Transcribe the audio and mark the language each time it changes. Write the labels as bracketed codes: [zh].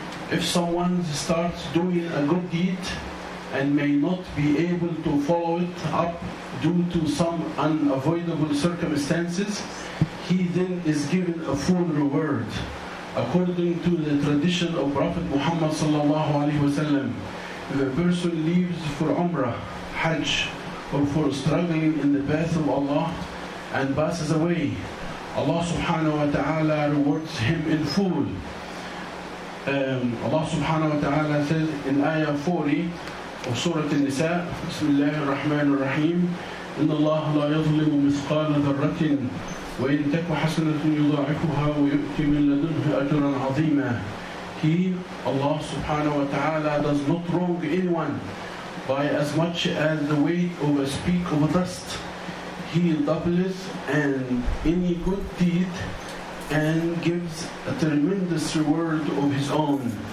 [en] If someone starts doing a good deed and may not be able to follow it up due to some unavoidable circumstances, he then is given a full reward according to the tradition of Prophet Muhammad sallallahu alaihi wasallam. If a person leaves for Umrah, Hajj, or for struggling in the path of Allah and passes away, Allah subhanahu wa ta'ala rewards him in full. Allah subhanahu wa ta'ala says in ayah 40 of Surah An-Nisa, [ar] Bismillah ar-Rahman ar-Rahim, إِنَّ اللَّهَ لَا يَظْلِمُ مِثْقَالَ ذَرَّةٍ وَإِنْ تَكُ حَسَنَةٌ يُضَاعِفُهَا وَيُؤْتِ مِنْ لَدُنْهُ أَجْرًا عَظِيمًا. [en] He, Allah subhanahu wa ta'ala, does not wrong anyone by as much as the weight of a speck of dust. He doubles and any good deed and gives a tremendous reward of his own.